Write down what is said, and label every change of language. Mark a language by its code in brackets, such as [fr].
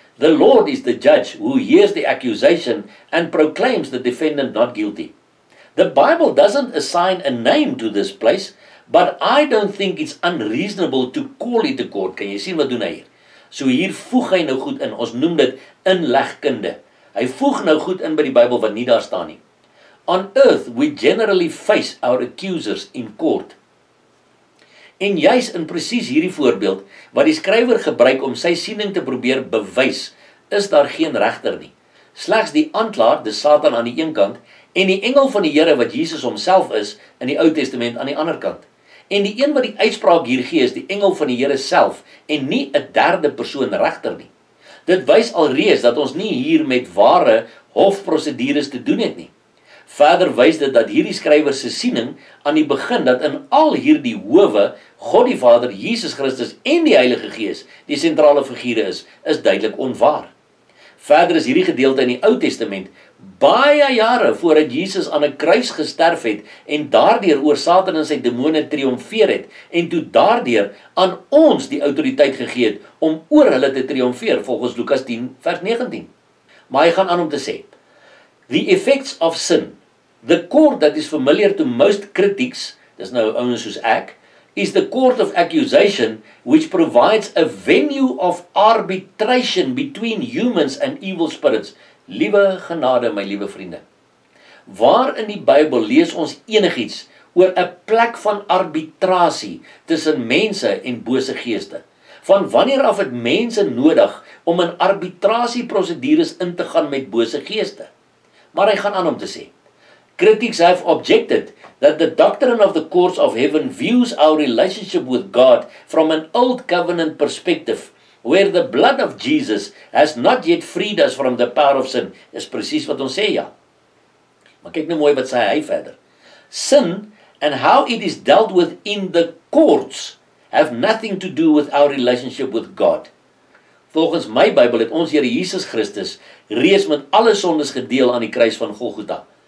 [en] The Lord is the judge who hears the accusation and proclaims the defendant not guilty. The Bible doesn't assign a name to this place, but I don't think it's unreasonable to call it a court. [af] Kan jy sien wat doen hy hier? So hier voeg hy nou goed in, ons noem dit inlegkunde. Hy voeg nou goed in by die Bybel wat nie daar staan nie. On earth we generally face our accusers in court. En juist in precies hierdie voorbeeld, wat die skrywer gebruik om sy siening te probeer bewys, is daar geen regter nie. Slegs die aanklaer, die Satan aan die een kant, en die engel van die Here wat Jesus homself is, in die Ou Testament aan die ander kant. En die een wat die uitspraak hier gee, is die engel van die Here self, en nie 'n derde persoon regter nie. Dit wys alreeds dat ons nie hier met ware hofprosedures te doen het nie. Verder wys dit dat hierdie skrywer se siening aan die begin dat in al hierdie howe God die Vader, Jesus Christus en die Heilige Gees die sentrale figure is, is duidelik onwaar. Verder is hierdie gedeelte in die Ou Testament baie jare voordat Jesus aan 'n kruis gesterf het en daardeur oor Satan en sy demone triomfeer het en toe daardeur aan ons die autoriteit gegee het om oor hulle te triomfeer volgens Lukas 10 vers 19. Maar hy gaan aan om te sê, [en] the effects of sin, the cord that is familiar to most critics, [af] dis nou ouens soos ek, [en] is the cord of accusation which provides a venue of arbitration between humans and evil spirits. [af] Liewe genade, my liewe vriende. Waar in die Bybel lees ons enigiets oor 'n plek van arbitrasie tussen mense en bose geeste? Van wanneer af het mense nodig om in arbitrasieprosedures in te gaan met bose geeste? Maar hy gaan aan om te sê, [en] critics have objected that the doctrine of the courts of heaven views our relationship with God from an old covenant perspective, where the blood of Jesus has not yet freed us from the power of sin, [af] is precies wat ons sê, ja. Maar kyk nou mooi wat sê hy verder. [en] Sin and how it is dealt with in the courts have nothing to do with our relationship with God. [af] Volgens my Bybel het ons Here Jesus Christus reeds met alle sondes gedeel aan die kruis van Golgotha.